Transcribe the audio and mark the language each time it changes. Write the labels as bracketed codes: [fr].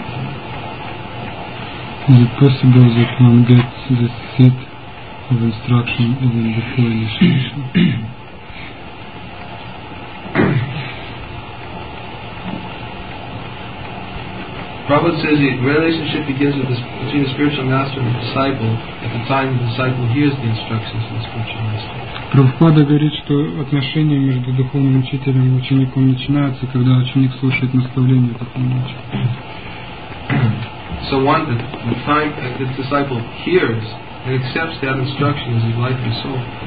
[en] The possible that one gets the seat of instruction even before initiation. Prabhupada says the relationship begins with between the spiritual master and the disciple at the time the disciple hears the instructions of the spiritual master. [ru] Прабхупада говорит, что отношения между духовным учителем и учеником начинаются, когда ученик слушает наставление духовного учителя. [en] So one, the time the disciple hears and accepts that instruction as his life and soul.